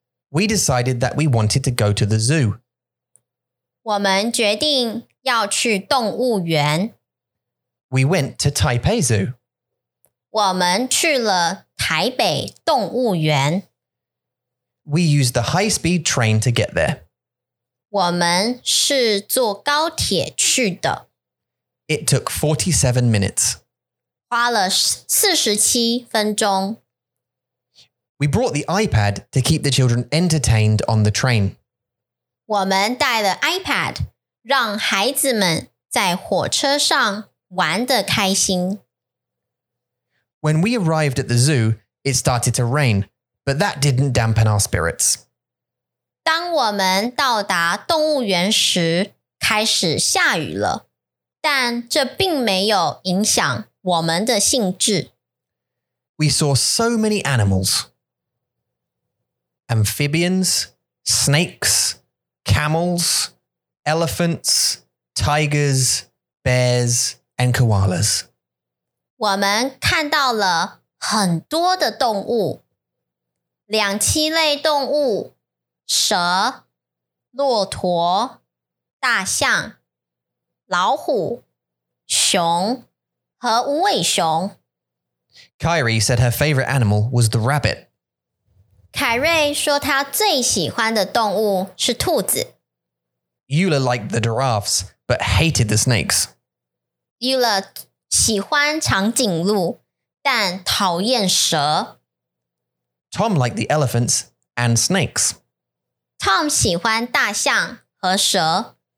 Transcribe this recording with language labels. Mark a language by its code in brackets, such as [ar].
[en] We decided that we wanted to go to the zoo. [zh] 我们决定要去动物园。 [en] We went to Taipei Zoo. [zh] 我们去了台北动物园。 [en] We used the high-speed train to get there. [zh] 我们是坐高铁去的。 [en] It took 47 minutes. [zh] 花了47分钟。 [en] We brought the iPad to keep the children entertained on the train. [zh] 我们带了iPad, 让孩子们在火车上玩得开心。 [en] When we arrived at the zoo, it started to rain, but that didn't dampen our spirits. [zh] 当我们到达动物园时，开始下雨了，但这并没有影响我们的兴致。 [en] We saw so many animals. Amphibians, snakes, camels, elephants, tigers, bears, and koalas. [zh] 我们看到了很多的动物，两栖类动物，蛇，骆驼，大象，老虎，熊，和无尾熊。 [en] Kairi said her favorite animal was the rabbit. [zh] 凯瑞说她最喜欢的动物是兔子。 [en] Eula liked the giraffes, but hated the snakes. [zh] Eula 喜欢长颈鹿，但讨厌蛇。 [en] Tom liked the elephants and snakes. [zh] Tom 喜欢大象和蛇。